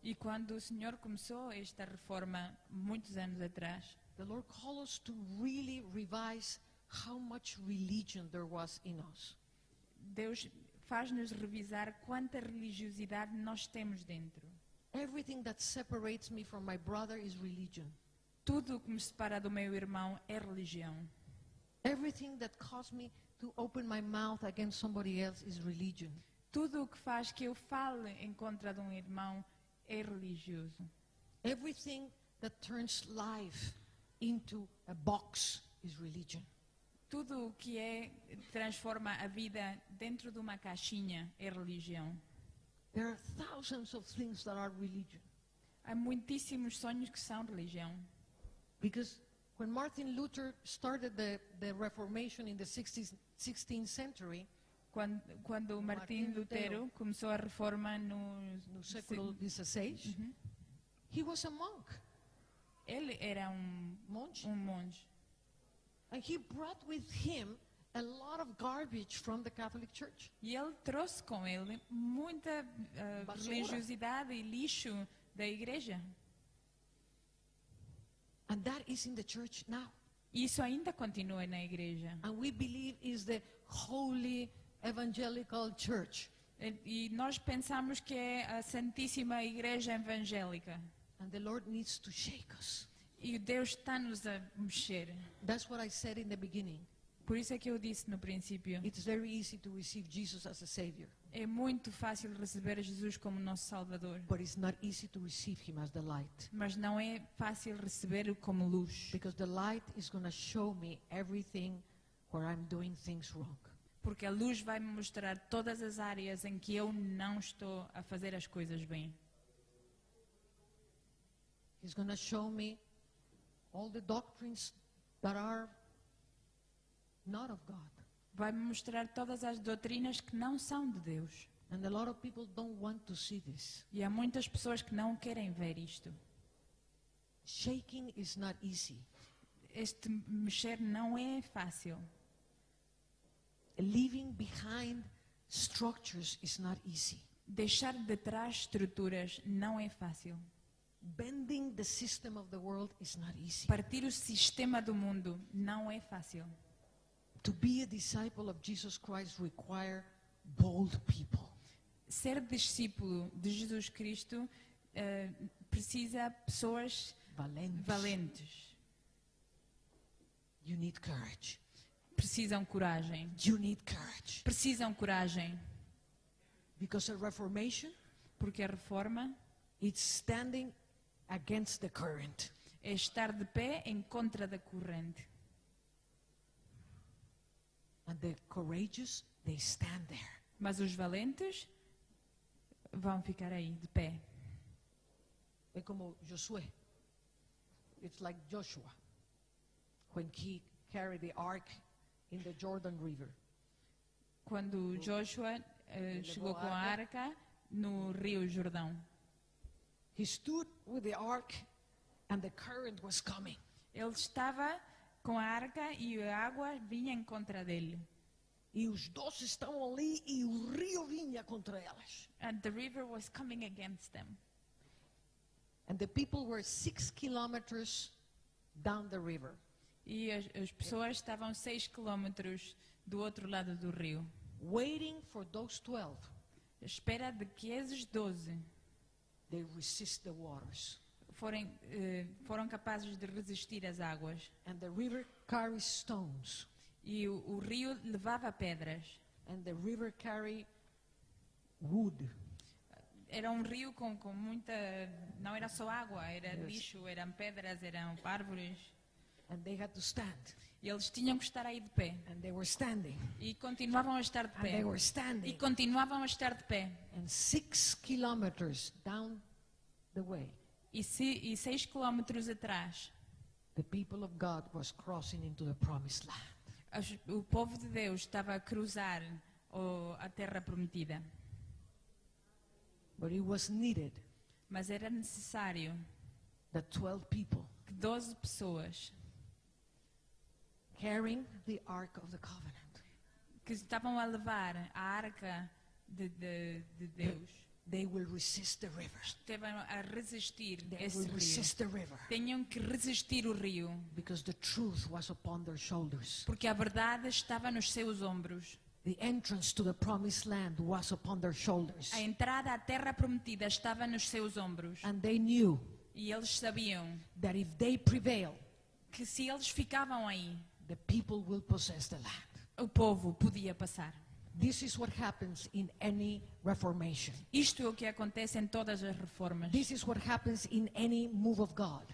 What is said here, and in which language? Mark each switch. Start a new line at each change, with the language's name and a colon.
Portuguese: E quando o Senhor começou esta reforma muitos anos atrás,
English: the Lord called us to really revise how much religion there was in us.
Portuguese: Deus faz-nos revisar quanta religiosidade nós temos dentro.
English: Everything that separates me from my brother is religion.
Portuguese: Tudo o que me separa do meu irmão é religião.
English: Everything that causes me to open my mouth against somebody else is religion.
Portuguese: Tudo o que faz que eu fale em contra de um irmão é religioso.
English: Everything that turns life into a box is religion.
Portuguese: Tudo o que é transforma a vida dentro de uma caixinha é religião.
English: There are thousands of things that are religion.
Portuguese: Há muitíssimos sonhos que são religião.
English: Because when Martin Luther started the Reformation in the 16th century,
Portuguese: quando Martin Lutero começou a reforma no século XVI,
English: he was a monk.
Portuguese: Ele era um monge.
English: And he brought with him a lot of garbage from the Catholic Church.
Portuguese: E ele trouxe com ele muita religiosidade e lixo da igreja.
English: And that is in the church now.
Portuguese: Isso ainda continua na igreja.
English: And we believe is the holy evangelical church.
Portuguese: E nós pensamos que é a Santíssima Igreja Evangélica.
English: And the Lord needs to shake us.
Portuguese: E Deus está-nos a mexer.
English: That's what I said in the beginning.
Portuguese: Por isso é que eu disse no princípio.
English: It's very easy to receive Jesus as a savior.
Portuguese: É muito fácil receber Jesus como nosso Salvador.
English: But it's not easy to receive him as the light.
Portuguese: Mas não é fácil recebê-lo como luz.
English: Because the light is going to show me everything where I'm doing things wrong.
Portuguese: Porque a luz vai me mostrar todas as áreas em que eu não estou a fazer as coisas bem.
English: He's going to show me all the doctrines that are not of God.
Portuguese: Vai me mostrar todas as doutrinas que não são de Deus.
English: And a lot of people don't want to see this.
Portuguese: E há muitas pessoas que não querem ver isto.
English: Shaking is not easy.
Portuguese: Este mexer não é fácil.
English: Leaving behind structures is not easy.
Portuguese: Deixar de trás estruturas não é fácil.
English: Bending the system of the world is not easy.
Portuguese: Partir o sistema do mundo não é fácil.
English: To be a disciple of Jesus Christ require bold people.
Portuguese: Ser discípulo de Jesus Cristo precisa pessoas valentes.
English: You need courage.
Portuguese: Precisam coragem.
English: You need courage.
Portuguese: Precisam coragem.
English: Because a reformation,
Portuguese: porque a reforma,
English: it's standing against the current.
Portuguese: É estar de pé em contra da corrente.
English: And the courageous, they stand there.
Portuguese: Mas os valentes vão ficar aí de pé. É como Josué.
English: It's like Joshua when he carried the ark in the Jordan River.
Portuguese: Quando Joshua chegou com a arca no rio Jordão.
English: He stood with the ark and the current was coming.
Portuguese: Ele estava com a arca e a água vinha em contra dele. E os dois estavam ali e o rio vinha contra eles.
English: And the river was coming against them. And the people were 6 kilometers down the river.
Portuguese: E as pessoas estavam 6 quilômetros do outro lado do rio.
English: Waiting for those 12.
Portuguese: Espera de que esses 12.
English: They resist the waters.
Portuguese: Foram capazes de resistir às águas.
English: And the river carries stones.
Portuguese: E o rio levava pedras.
English: And the river carry wood.
Portuguese: Era um rio com muita, não era só água, era yes. Lixo, eram pedras, eram árvores.
English: And they had to stand.
Portuguese: E eles tinham que estar aí de pé.
English: And they were standing.
Portuguese: E continuavam a estar de pé.
English: And they were standing.
Portuguese: E continuavam a estar de pé.
English: And 6 kilometers down the way.
Portuguese: e seis quilômetros atrás.
English: The people of God was crossing into the promised land.
Portuguese: O povo de Deus estava a cruzar a terra prometida.
English: But it was needed.
Portuguese: Mas era necessário.
English: The 12 people.
Portuguese: Que 12 pessoas.
English: Carrying the ark of the covenant.
Portuguese: Que estavam a levar a arca de Deus.
English: They will resist the rivers.
Portuguese: Estavam a resistir.
English: They will resist the river.
Portuguese: Tinham que resistir o rio.
English: Because the truth was upon their shoulders.
Portuguese: Porque a verdade estava nos seus ombros.
English: The entrance to the promised land was upon their shoulders.
Portuguese: A entrada à terra prometida estava nos seus ombros.
English: And they knew.
Portuguese: E eles sabiam.
English: That if they prevail.
Portuguese: Que se eles ficavam aí.
English: The people will possess the land.
Portuguese: O povo podia passar.
English: This is what happens in any reformation.
Portuguese: Isto é o que acontece em todas as reformas.
English: This is what happens in any move of God.